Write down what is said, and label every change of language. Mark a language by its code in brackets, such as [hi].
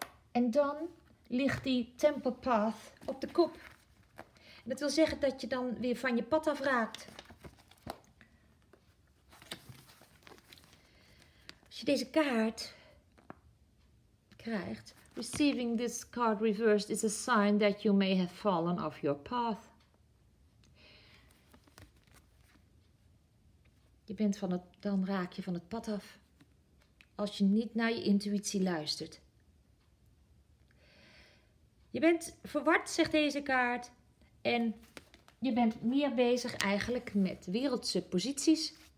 [nl] En dan ligt die temple path op de kop. En dat wil zeggen dat je dan weer van je pad afraakt. Als je deze kaart krijgt. [en] Receiving this card reversed is a sign that you may have fallen off your path. [nl] Dan raak je van het pad af. Als je niet naar je intuïtie luistert. Je bent verward, zegt deze kaart. En je bent meer bezig eigenlijk met wereldse posities.